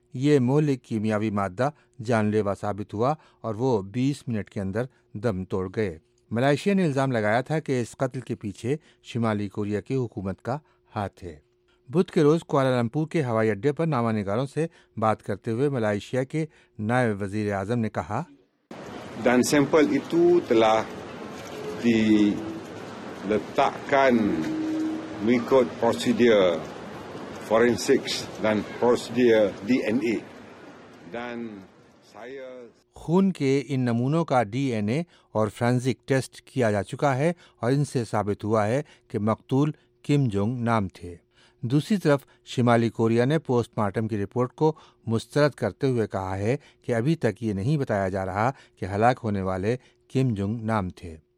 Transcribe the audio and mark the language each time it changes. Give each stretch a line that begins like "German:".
Urdu: یہ مہلک کیمیاوی مادہ جان لیوا ثابت ہوا اور وہ 20 منٹ کے اندر دم توڑ گئے. ملائیشیا نے الزام لگایا تھا کہ اس قتل کے پیچھے شمالی کوریا کی حکومت کا ہاتھ ہے. بدھ کے روز کوالالمپور کے ہوائی اڈے پر نامہ نگاروں سے بات کرتے ہوئے ملائیشیا کے نائب وزیر اعظم نے کہا,
Malay: dan sampel itu telah diletakkan mengikut prosedur forensik dan prosedur DNA. Dan saya
Urdu: خون کے ان نمونوں کا ڈی این اے اور فرینزک ٹیسٹ کیا جا چکا ہے اور ان سے ثابت ہوا ہے کہ مقتول کم جونگ نام تھے. دوسری طرف شمالی کوریا نے پوسٹ مارٹم کی رپورٹ کو مسترد کرتے ہوئے کہا ہے کہ ابھی تک یہ نہیں بتایا جا رہا کہ ہلاک ہونے والے کم جونگ نام تھے.